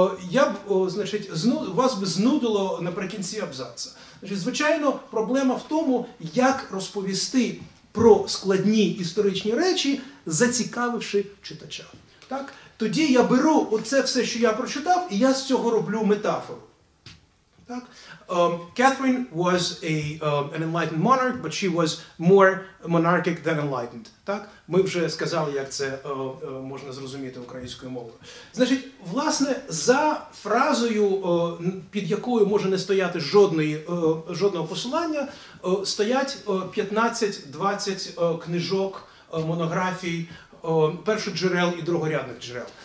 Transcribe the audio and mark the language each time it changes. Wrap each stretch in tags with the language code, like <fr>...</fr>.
<uk>Я б, значить, вас би знудило наприкінці абзаца. Значить, звичайно, проблема в тому, як розповісти про складні історичні речі, зацікавивши читача. Так? Тоді я беру оце все, що я прочитав, і я з цього роблю метафору. Так?</uk> <en>Catherine was an enlightened monarch, but she was more monarchic than enlightened.</en> <uk>Так? Ми вже сказали, як це можна зрозуміти українською мовою. Значить, власне, за фразою, під якою може не стояти жодного посилання, стоять 15-20 книжок, монографій, перших джерел і другорядних джерел.</uk>